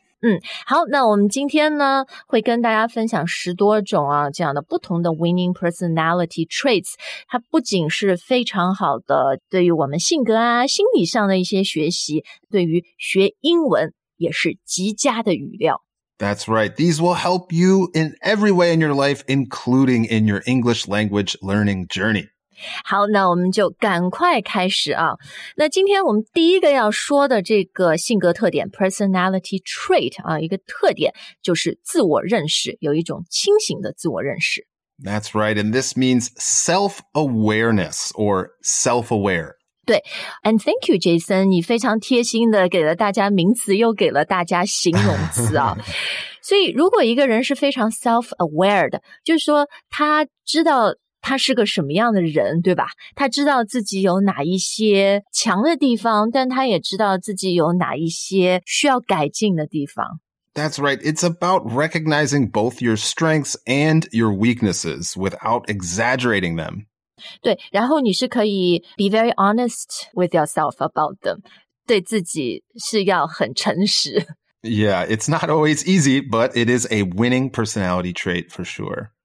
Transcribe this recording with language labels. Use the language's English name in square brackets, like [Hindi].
[Chinese] 嗯，好，那我们今天呢会跟大家分享十多种啊这样的不同的 [English] winning personality traits， [Chinese] 它不仅是非常好的对于我们性格啊心理上的一些学习，对于学英文也是极佳的语料。 [English] That's right. These will help you in every way in your life, including in your English language learning journey. [Chinese] 好，那我们就赶快开始啊。那今天我们第一个要说的这个性格特点 [English] personality trait [Chinese] 啊，一个特点就是自我认识，有一种清醒的自我认识。 [English] That's right. And this means self-awareness or self-aware. [Chinese] 对 [English] ，and thank you, Jason. [Chinese] 你非常贴心的给了大家名词，又给了大家形容词啊。所以，如果一个人是非常 self-aware 的，就是说他知道他是个什么样的人，对吧？他知道自己有哪一些强的地方，但他也知道自己有哪一些需要改进的地方。 [English] That's right. It's about recognizing both your strengths and your weaknesses without exaggerating them. [Chinese] 对，然后你是可以 [English] be very honest with yourself about them， [Chinese] 对自己是要很诚实。 [English] Yeah, it's not always easy, but it is a winning personality trait for sure.